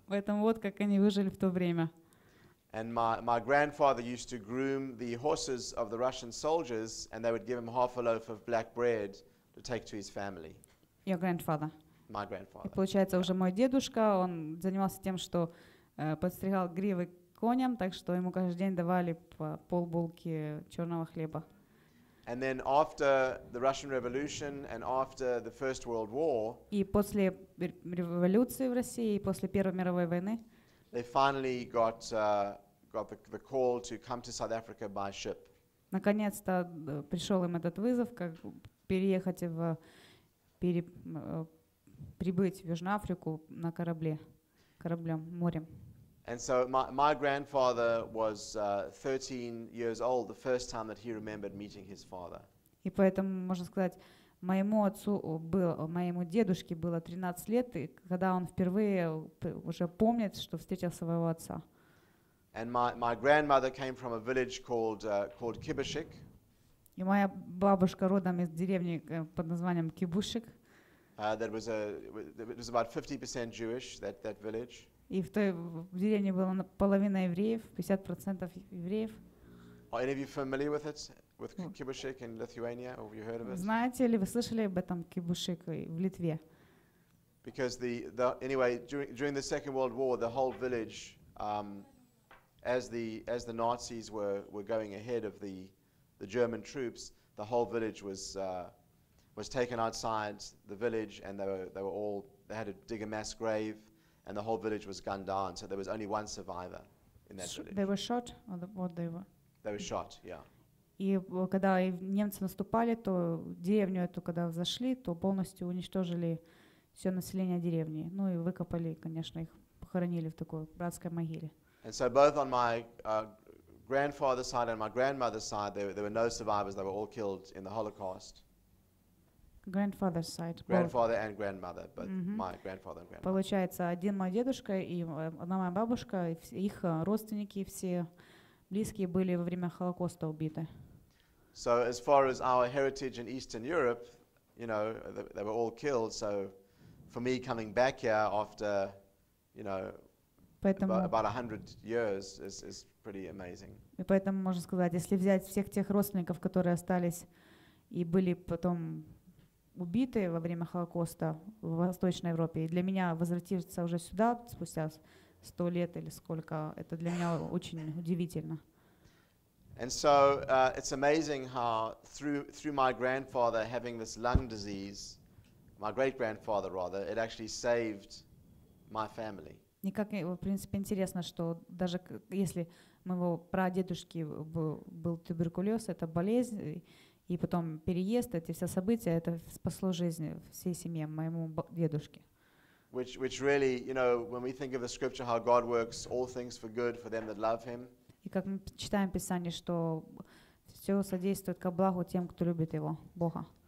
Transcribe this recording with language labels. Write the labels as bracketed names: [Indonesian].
[Russian] Поэтому вот как они выжили в то время. [English] And my grandfather used to groom the horses of the Russian soldiers, and they would give him half a loaf of black bread to take to his family. Your grandfather. My grandfather. [Russian] И получается, уже мой дедушка, он занимался тем, что подстригал гривы коням, так что ему каждый день давали по полбулки черного хлеба. [English] And then after the Russian Revolution and after the First World War, [Russian] и после революции в России, и после Первой мировой войны, [English] they finally got the call to come to South Africa by ship. [Russian] Наконец-то пришел им этот вызов, как переехать в прибыть в Южную Африку на кораблем, морем. [English] And so my grandfather was 13 years old the first time that he remembered meeting his father. [Russian] И поэтому можно сказать, моему дедушке было 13 лет, и когда он впервые уже помнит, что встретил своего отца. [English] And my grandmother came from a village called Kibushik. [Russian] И моя бабушка родом из деревни под названием Кибушик. [English] It was about 50% Jewish, that village. [Russian] И в той деревне было половина евреев, 50% евреев. [English] Are any of you familiar with it, with Kibushik in Lithuania? Or have you heard of it? [Russian] Знаете ли вы, слышали об этом Кибушик в Литве? [English] Because during the Second World War, the whole village, as the Nazis were going ahead of the German troops, the whole village was taken outside the village, and they had to dig a mass grave, and the whole village was gunned down. So there was only one survivor in that village. They were shot, or what they were? They were shot. Yeah. [Russian] И когда немцы наступали, то деревню эту, когда зашли, то полностью уничтожили все население деревни. Ну и выкопали, конечно, их похоронили в такой братской могиле. [English] And so both on my grandfather's side and my grandmother's side, there were no survivors. They were all killed in the Holocaust. grandfather's side. Grandfather and grandmother, but my grandfather and grandmother. [Russian] Получается, один мой дедушка и одна моя бабушка, их родственники все близкие были во время Холокоста убиты. [English] So as far as our heritage in Eastern Europe, you know, they were all killed. So for me coming back here after, you know, about 100 years is pretty amazing. [Russian] И поэтому можно сказать, если взять всех тех родственников, которые остались и были потом убиты во время Холокоста в Восточной Европе, и для меня возвратиться уже сюда спустя 100 лет или сколько, это для меня очень удивительно. [English] And so it's amazing how through my grandfather having this lung disease, my great grandfather rather, it actually saved my family. [Russian] Никак, в принципе, интересно, что даже если моего прадедушки был туберкулез, это болезнь, и потом переезд, эти все события, это спасло жизнь всей семье моему дедушке. [English] Which really, you know, when we think of the scripture, how God works all things for good for them that love Him. [Russian] И как мы читаем Писание, что все содействует ко благу тем, кто любит Его, Бога.